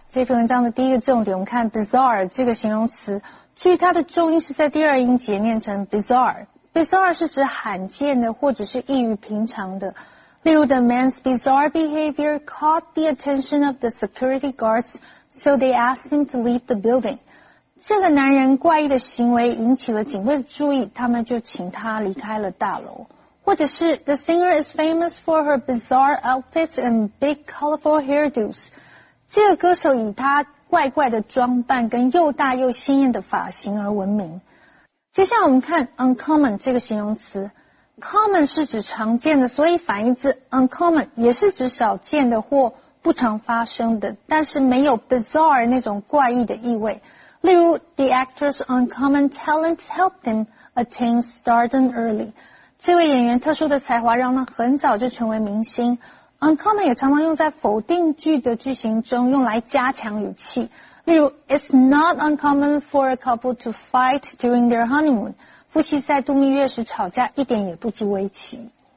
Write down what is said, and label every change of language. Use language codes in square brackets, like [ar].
[zh] 这篇文章的第一个重点，我们看 bizarre 这个形容词，注意它的重音是在第二音节，念成 bizarre。 Bizarre 是指罕见的或者是异于平常的。例如 [en] ，The man's bizarre behavior caught the attention of the security guards, so they asked him to leave the building. [zh] 这个男人怪异的行为引起了警卫的注意，他们就请他离开了大楼。或者是 [en] The singer is famous for her bizarre outfits and big colorful hairdos. [zh] 这个歌手以她怪怪的装扮跟又大又鲜艳的发型而闻名。接下来我们看 uncommon 这个形容词。Common 是指常见的，所以反义词 uncommon 也是指少见的或不常发生的，但是没有 bizarre 那种怪异的意味。例如 [en] The actor's uncommon talents helped him attain stardom early. [zh] 这位演员特殊的才华让他很早就成为明星。 Uncommon 也常常用在否定句的句型中，用来加强语气。例如 [en] ,It's not uncommon for a couple to fight during their honeymoon. [zh] 夫妻在度蜜月时吵架一点也不足为奇。